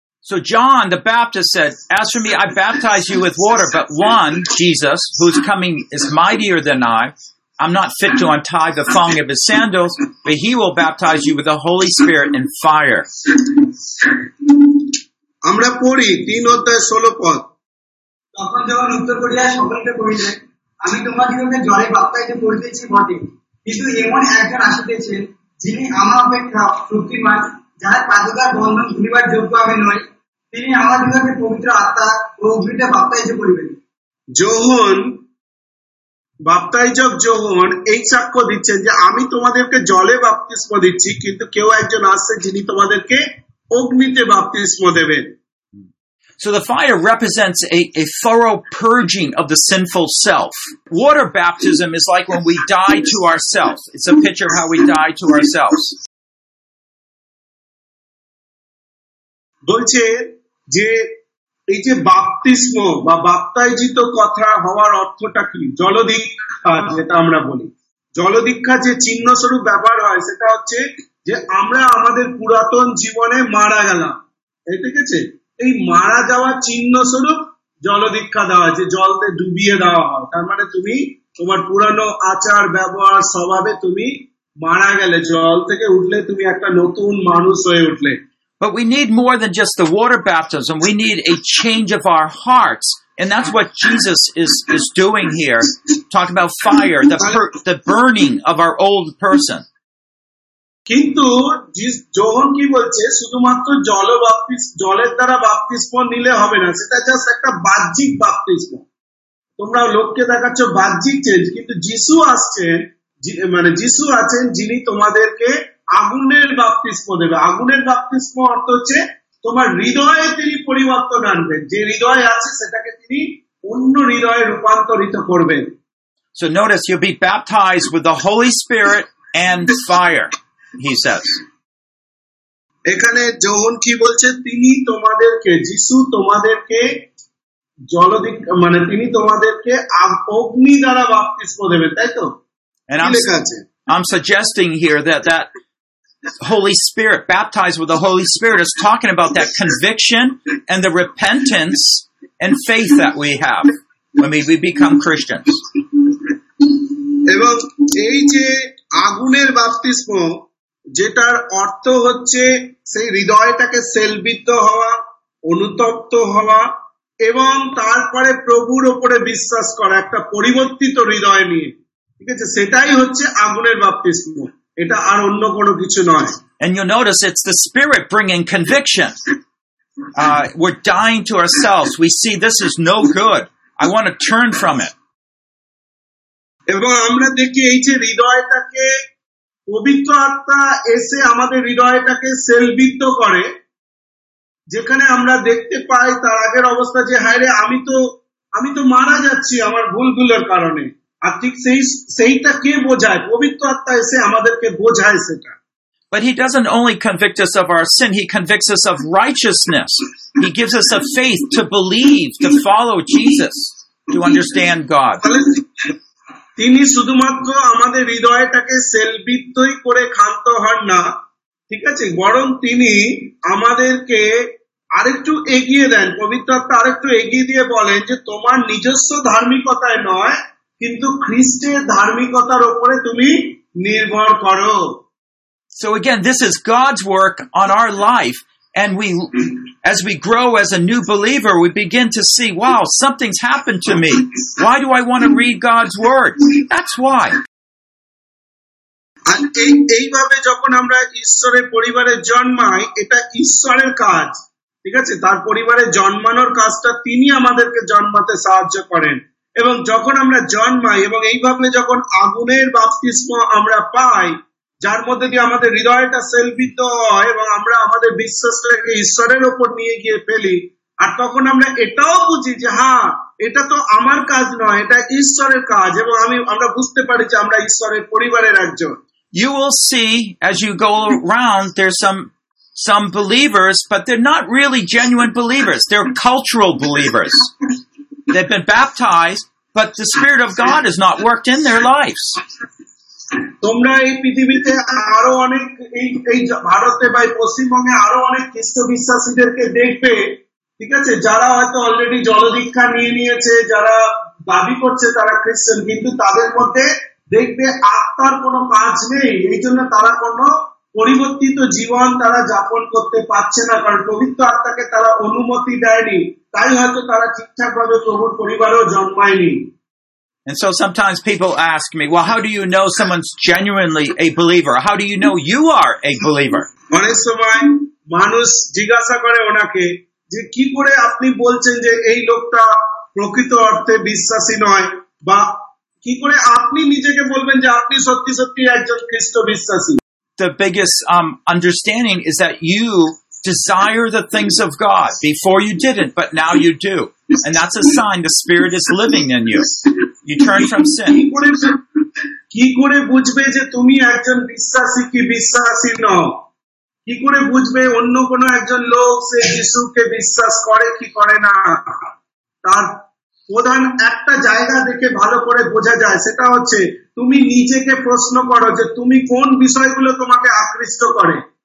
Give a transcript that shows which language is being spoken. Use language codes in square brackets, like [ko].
[en] So John the Baptist said, As for me, I baptize you with water, but one, Jesus, who's coming is mightier than I. I'm not fit to untie the thong of his sandals, but he will baptize you with the Holy Spirit and fire. [bn] আমরা পড়ি 3 অধ্যায় 16 পদ তখন যখন উত্তর করিয়া সকলকে কহিলেন আমি তোমাদিগকে জলে বাপ্তাইতে করিতেছি বটে কিন্তু এমন একজন আসিতেছেন যিনি আমার অপেক্ষা শক্তিমান যাহার পাদুকার বন্ধন খুলিবার যোগ্য আমি নই তিনি আমাদিগকে পবিত্র আত্মা ও অগ্নিতে বাপ্তাইতে করিবেন যোহন বাপ্তাইজক যোহন এই সাক্ষ্য দিচ্ছেন যে আমি তোমাদেরকে জলে বাপ্তিস্ম দিচ্ছি কিন্তু কেউ একজন আসছে যিনি তোমাদেরকে অগ্নিতে বাপ্তিস্ম দেবেন [en] So the fire represents a thorough purging of the sinful self. Water baptism is like when we die to ourselves. It's a picture of how we die to ourselves. [bn] বলছে যে এই যে বাপ্তিস্ম বা বাপ্তাইজিত কথা হওয়ার অর্থটা কি জলদীক্ষা যেটা আমরা বলি জলদীক্ষা যে চিহ্ন স্বরূপ ব্যবহার হয় সেটা হচ্ছে যে আমরা আমাদের পুরাতন জীবনে মারা গেলাম এই ঠিক আছে এই মারা যাওয়া চিহ্ন স্বরূপ জলদীক্ষা দেওয়া হয় যে জলতে ডুবিয়ে দেওয়া হয় তার মানে তুমি তোমার পুরানো আচার ব্যবহার স্বভাবে তুমি মারা গেলে জল থেকে উঠলে তুমি একটা নতুন মানুষ হয়ে উঠলে [en] But we need more than just the water baptism. We need a change of our hearts. And that's what Jesus is doing here. Talking about fire, the burning of our old person. [bn] কিন্তু যখন কি বলছে শুধুমাত্র জল বাপ্তিস্ম জলের দ্বারা বাপ্তিস্ম নিলে হবে না সেটা [en] just [bn] একটা বাহ্যিক বাপ্তিস্ম তোমরা লোককে দেখাচ্ছ বাহ্যিক [en] change, [bn] কিন্তু যিশু আসছেন, মানে যিশু আছেন যিনি তোমাদেরকে আগুনের বাপ্তিস্ম দেবে। আগুনের বাপ্তিস্ম অর্থ হচ্ছে তোমার হৃদয়ে তিনি পরিবর্তন আনবেন, যে হৃদয় আছে সেটাকে তিনি অন্য হৃদয়ে রূপান্তরিত করবেন। [en] So notice, you'll be baptized with the Holy Spirit and fire, he says. [bn] এখানে যখন কি বলছে, তিনি তোমাদেরকে, যিশু তোমাদেরকে জলদিক, মানে তিনি তোমাদেরকে অগ্নি দ্বারা বাপ্তিস্ম দেবেন, তাই তো? [en] And I'm suggesting here that that Holy Spirit, baptized with the Holy Spirit, is talking about that conviction and the repentance and faith that we have when we become Christians. [bn] এবং এই যে আগুনের বাপ্তিস্ম, যেটার অর্থ হচ্ছে সেই হৃদয়টাকে সেলবিত হওয়া, অনুতপ্ত হওয়া, এবং তারপরে প্রভুর ওপরে বিশ্বাস করা, একটা পরিবর্তিত হৃদয় নিয়ে, ঠিক আছে, সেটাই হচ্ছে আগুনের বাপ্তিস্ম, এটা আর অন্য কোনো কিছু নয়। [en] And you notice it's the Spirit bringing conviction. We're dying to ourselves. We see this is no good. I want to turn from it. [bn] এবং আমরা দেখি এই যে হৃদয়টাকে পবিত্র আত্মা এসে আমাদের হৃদয়টাকে সেলবিত করে, যেখানে আমরা দেখতে পাই তার আগের অবস্থা যে হায় রে, আমি তো মারা যাচ্ছি আমার ভুলগুলোর কারণে, আর ঠিক সেইটা কে বোঝায়? পবিত্র আত্মা এসে আমাদেরকে বোঝায় সেটা। [en] But he doesn't only convict us of our sin, he convicts us of righteousness. He gives us a faith to believe, to follow Jesus, to understand God. [bn] তিনি শুধুমাত্র আমাদের হৃদয়টাকে সেলবিত্তই করে ক্ষান্ত হন না, ঠিক আছে, বরং তিনি আমাদেরকে আরেকটু এগিয়ে দেন, পবিত্রত্বটা আরেকটু এগিয়ে দিয়ে বলেন যে তোমার নিজস্ব ধার্মিকতায় নয়, কিন্তু খ্রিস্টের ধার্মিকতার উপরে তুমি নির্ভর করো। [en] So again, this is God's work on our life, and we, as we grow as a new believer, we begin to see, wow, something's happened to me. Why do I want to read God's word? That's why. And [bn] এইভাবে যখন আমরা ঈশ্বরের পরিবারে জন্মাই, এটা ঈশ্বরের কাজ, ঠিক আছে, তার পরিবারে জন্মানোর কাজটা তিনি আমাদেরকে জন্মাতে সাহায্য করেন, এবং যখন আমরা জন্মাই এবং এইভাবে যখন আগুনের বাপ্তিস্ম আমরা পাই, যার মধ্যে দিয়ে আমাদের হৃদয়টা সেলবিত হয় এবং আমরা আমাদের বিশ্বাসটাকে ঈশ্বরের উপর নিয়ে গিয়ে ফেলি, আর তখন আমরা এটাও বুঝি যে হ্যাঁ, এটা তো আমার কাজ নয়, এটা ঈশ্বরের কাজ, এবং আমরা বুঝতে পারি যে আমরা ঈশ্বরের পরিবারের একজন। [en] You will see as you go around there's some believers, but they're not really genuine believers. They're cultural believers. They've been baptized, but the Spirit of God has not worked in their lives. [bn] তোমরা এই পৃথিবীতে আরো অনেক, এই ভারতে বা পশ্চিমবঙ্গে আরো অনেক খ্রিস্ট বিশ্বাসীদেরকে দেখবে, ঠিক আছে, যারা হয়তো [en] already [bn] জলদীক্ষা নিয়ে নিয়েছে, যারা দাবি করছে তারা খ্রিস্টান, কিন্তু তাদের মধ্যে দেখবে আত্মার কোনো কাজ নেই, এই জন্য তারা কোনো পরিবর্তিত জীবন তারা যাপন করতে পারছে না, কারণ পবিত্র আত্মাকে তারা অনুমতি দেয়নি, তাই হয়তো তারা ঠিকঠাকভাবে প্রভুর পরিবারেও জন্মায়নি। [en] And so sometimes people ask me, well, how do you know someone's genuinely a believer? How do you know you are a believer? [bn] Manishomai manush jigyasa kore onake je ki kore apni bolchen je ei lokta prokito arthe bishwashi noy, ba ki kore apni nijeke bolben je apni sotti sotti ekjon khristo bishwashi. The biggest understanding is that you desire the things of God. Before you didn't, but now you do. And that's a sign the Spirit is living in you. You turn from sin. কি করে বুঝবে যে তুমি একজন বিশ্বাসী কি বিশ্বাসী নও? কি করে বুঝবে অন্য কোন একজন লোক সে যিশুকে বিশ্বাস করে কি করে না? তার প্রধান একটা জায়গা দেখে ভালো করে বোঝা যায়, সেটা হচ্ছে তুমি নিজেকে প্রশ্ন করো যে তুমি কোন বিষয়গুলো তোমাকে আকৃষ্ট করে।